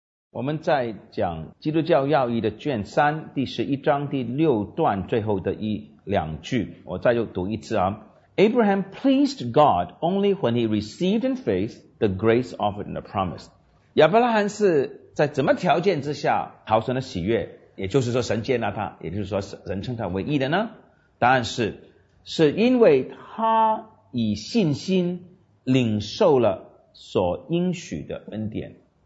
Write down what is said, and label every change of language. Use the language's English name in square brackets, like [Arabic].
[Chinese] 我们在讲基督教要义的卷三第十一章第六段最后的一两句，我再就读一次啊。 [English] Abraham pleased God only when he received in faith the grace offered in the promise. [Chinese] 亚伯拉罕是在怎么条件之下讨神的喜悦，也就是说神接纳他，也就是说神称他为义的呢？答案是因为他以信心领受了所应许的恩典。